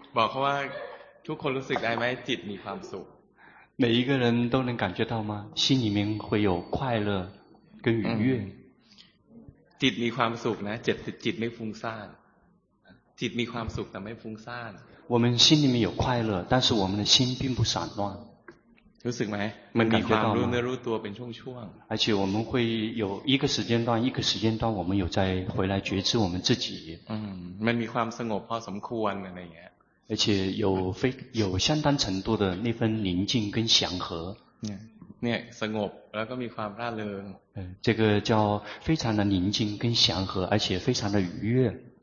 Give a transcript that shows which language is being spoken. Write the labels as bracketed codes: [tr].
[th] บอกเขาว่าทุกคนรู้สึกได้ไหมจิตมีความสุข [zh] 每一个人都能感觉到吗心里面会有快乐跟愉悦 [th] จิตมีความสุขนะจิตไม่ฟุ้งซ่านจิตมีความสุขแต่ไม่ฟุ้งซ่าน [zh] 我们心里面有快乐但是我们的心并不散乱 [th] รู้สึกไหมมันมีความรู้เนื้อรู้ตัวเป็นช่วงช่วง [zh] 而且我们会有一个时间段一个时间段我们有在回来觉知我们自己 [th] มันมีความสงบพอสมควรอะไรอย่างเงี้ย [zh] 而且有相当程度的那份宁静跟祥和 [th] เนี่ยสงบแล้วก็มีความร่าเริง [zh] 这个叫非常的宁静跟祥和而且非常的愉悦